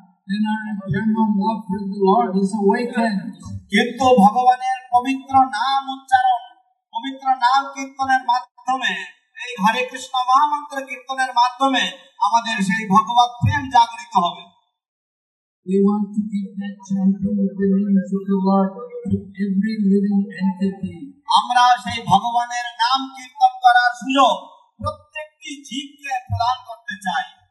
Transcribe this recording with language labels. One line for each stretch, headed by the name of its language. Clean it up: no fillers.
English: Then our eternal love for the Lord is awakened.
Bangla: কিন্তু ভগবানের পবিত্র নাম উচ্চারণ পবিত্র নাম কীর্তনের মাধ্যমে এই হরে কৃষ্ণ মহামন্ত্র কীর্তনের মাধ্যমে আমাদের সেই ভগবত প্রেম জাগ্রত হবে.
English: We want to keep that chanting of the names of the Lord to every living entity.
Bangla: আমরা সেই ভগবানের নাম কীর্তন করার সুযোগ প্রত্যেকটি জীবকে প্রদান করতে চাই.